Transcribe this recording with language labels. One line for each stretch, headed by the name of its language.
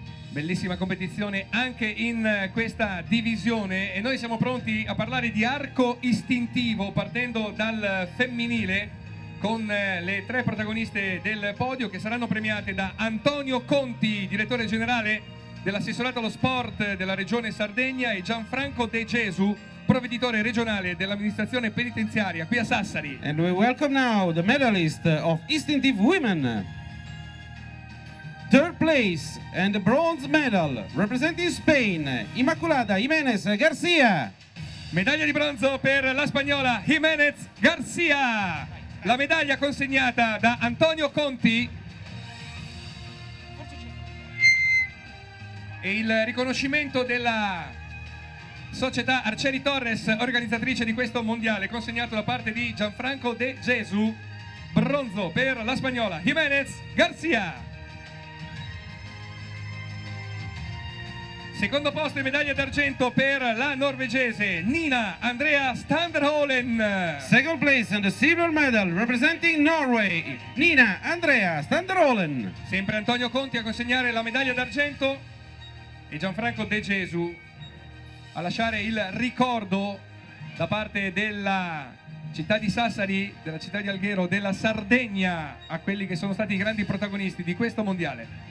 Italian: Bellissima competizione anche in questa divisione, e noi siamo pronti a parlare di arco istintivo, partendo dal femminile con le tre protagoniste del podio, che saranno premiate da Antonio Conti, direttore generale dell'assessorato allo sport della regione Sardegna, e Gianfranco De Gesu, provveditore regionale dell'amministrazione penitenziaria qui a Sassari.
English: And we welcome now the medalist of Instinctive Women. Third place and bronze medal representing Spain, Immaculada Jimenez Garcia.
Italian: Medaglia di bronzo per la spagnola Jimenez Garcia. La medaglia consegnata da Antonio Conti e il riconoscimento della società Arcieri Torres, organizzatrice di questo mondiale, consegnato da parte di Gianfranco De Gesu. Bronzo per la spagnola Jimenez Garcia. Secondo posto e medaglia d'argento per la norvegese Nina Andrea Standerholen.
English: Second place and the silver medal representing Norway, Nina Andrea Standerholen.
Italian: Sempre Antonio Conti a consegnare la medaglia d'argento, e Gianfranco De Gesu a lasciare il ricordo da parte della città di Sassari, della città di Alghero, della Sardegna, a quelli che sono stati i grandi protagonisti di questo mondiale.